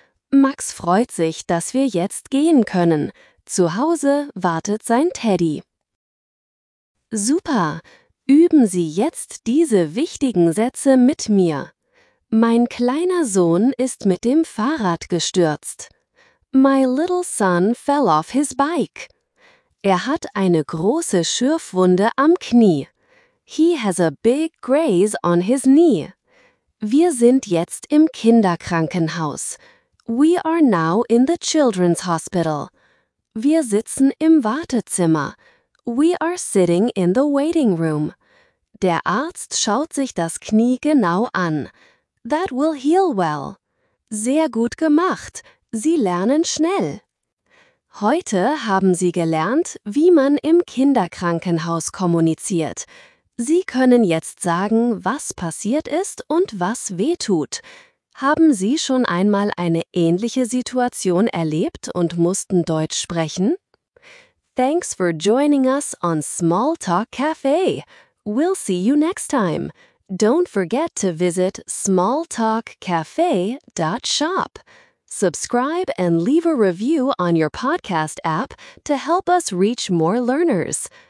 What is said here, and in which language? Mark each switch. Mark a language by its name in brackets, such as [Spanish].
[German] Max freut sich, dass wir jetzt gehen können. Zu Hause wartet sein Teddy. Super! Üben Sie jetzt diese wichtigen Sätze mit mir. Mein kleiner Sohn ist mit dem Fahrrad gestürzt. [English] My little son fell off his bike. [German] Er hat eine große Schürfwunde am Knie. [English] He has a big graze on his knee. [German] Wir sind jetzt im Kinderkrankenhaus. [English] We are now in the children's hospital. [German] Wir sitzen im Wartezimmer. [English] We are sitting in the waiting room. [German] Der Arzt schaut sich das Knie genau an. [English] That will heal well. [German] Sehr gut gemacht. Sie lernen schnell. Heute haben Sie gelernt, wie man im Kinderkrankenhaus kommuniziert. Sie können jetzt sagen, was passiert ist und was wehtut. Haben Sie schon einmal eine ähnliche Situation erlebt und mussten Deutsch sprechen? [English] Thanks for joining us on Small Talk Cafe. We'll see you next time. Don't forget to visit smalltalkcafe.shop. Subscribe and leave a review on your podcast app to help us reach more learners.